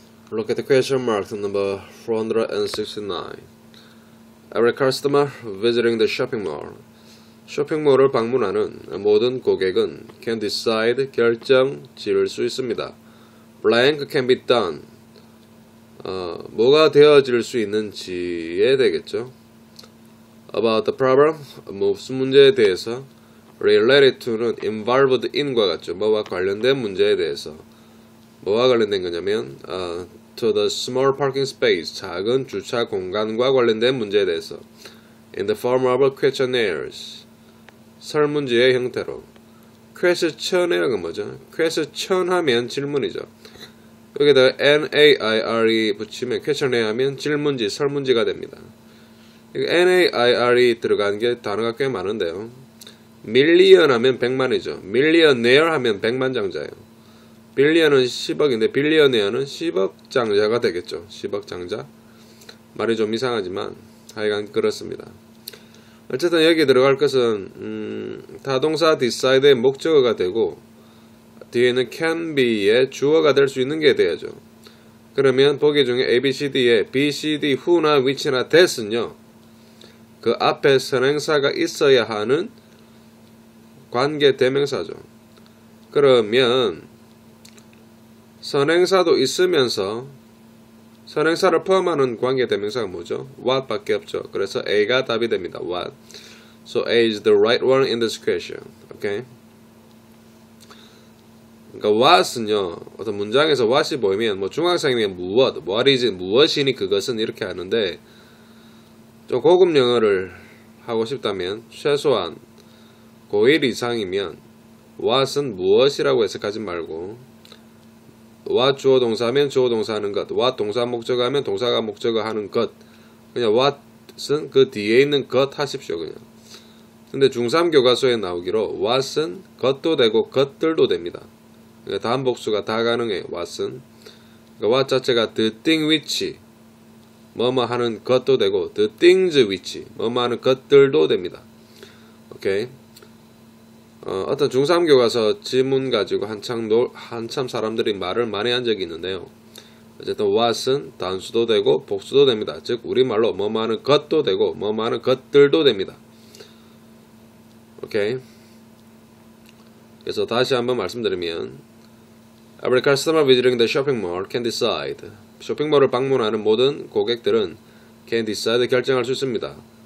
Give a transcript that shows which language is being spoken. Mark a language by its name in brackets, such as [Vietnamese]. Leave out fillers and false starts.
[English] Look at the question mark number 469. Every customer visiting the shopping mall. [Korean] 쇼핑몰을 방문하는 모든 고객은 [English] can decide [Korean] 결정 지을 수 있습니다. [English] Blank can be done. [Korean] 뭐가 되어질 수 있는지에 되겠죠. [English] About the problem, [Korean] 무슨 문제에 대해서. Related to는 involved in과 같죠. 뭐와 관련된 문제에 대해서. 뭐와 관련된 거냐면, [English] to the small parking space, [Korean] 작은 주차 공간과 관련된 문제에 대해서. [English] In the form of questionnaires, [Korean] 설문지의 형태로. Question이라는 건 뭐죠? Question 하면 질문이죠. 여기다가 NAIRE 붙이면 questionnaire 하면 질문지, 설문지가 됩니다. NAIRE 들어간 게 단어가 꽤 많은데요. million 하면 100만이죠. millionaire 하면 100만장자예요. billion은 10억인데 billionaire는 10억장자가 되겠죠. 10억장자. 말이 좀 이상하지만 하여간 그렇습니다. 어쨌든 여기 들어갈 것은 타동사 decide의 목적어가 되고 뒤에는 can be의 주어가 될수 있는 게 되죠. 그러면 보기 중에 ABCD에 BCD who나 which나 that은요, 그 앞에 선행사가 있어야 하는 관계 대명사죠. 그러면 선행사도 있으면서 선행사를 포함하는 관계 대명사가 뭐죠? What밖에 없죠. 그래서 A가 답이 됩니다. [English] What? So A is the right one in this question. Okay? [Korean] 그러니까 what은요, 어떤 문장에서 what이 보이면 뭐 중학생이면 무엇, [English] what is it, [Korean] 무엇이니 그것은 이렇게 하는데, 좀 고급 영어를 하고 싶다면 최소한 고1 이상이면 what은 무엇이라고 해석하지 말고 what 주어동사면 주어동사 하는 것, what 동사 목적어 하면 동사가 목적어 하는 것, 그냥 what은 그 뒤에 있는 것 하십시오 그냥. 근데 중3 교과서에 나오기로 what은 것도 되고 것들도 됩니다. 다음 복수가 다 가능해. what은 그러니까 what 자체가 [English] the thing which [Korean] 뭐뭐 하는 것도 되고 [English] the things which [Korean] 뭐뭐 하는 것들도 됩니다. 오케이. 어떤 중3 교과서 지문 가지고 한참 사람들이 말을 많이 한 적이 있는데요. 어쨌든 what은 단수도 되고 복수도 됩니다. 즉 우리말로 뭐뭐 하는 것도 되고 뭐뭐 하는 것들도 됩니다. 오케이. 그래서 다시 한번 말씀드리면 [English] Every customer visiting the shopping mall can decide. [Korean] 쇼핑몰을 방문하는 모든 고객들은 [English] can decide [Korean] 결정할 수 있습니다.